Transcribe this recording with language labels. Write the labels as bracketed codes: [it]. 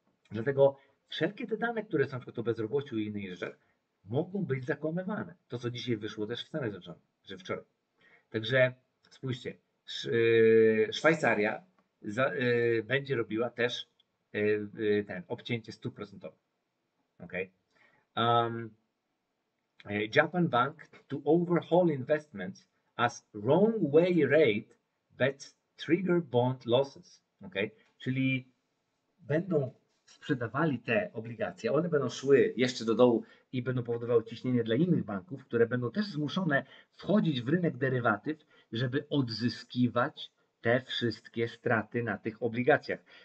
[pl] Dlatego wszelkie te dane, które są na przykład o bezrobociu i innych rzeczach, mogą być zakłamywane. To, co dzisiaj wyszło też w Stanach Zjednoczonych, że wczoraj. Także spójrzcie, Szwajcaria będzie robiła też ten obcięcie stóp procentowe. [en] Okay. Japan Bank to overhaul investments as wrong way rate bets trigger bond losses. Okay. [pl] Czyli będą sprzedawali te obligacje, one będą szły jeszcze do dołu i będą powodowały ciśnienie dla innych banków, które będą też zmuszone wchodzić w rynek derywatyw, żeby odzyskiwać te wszystkie straty na tych obligacjach.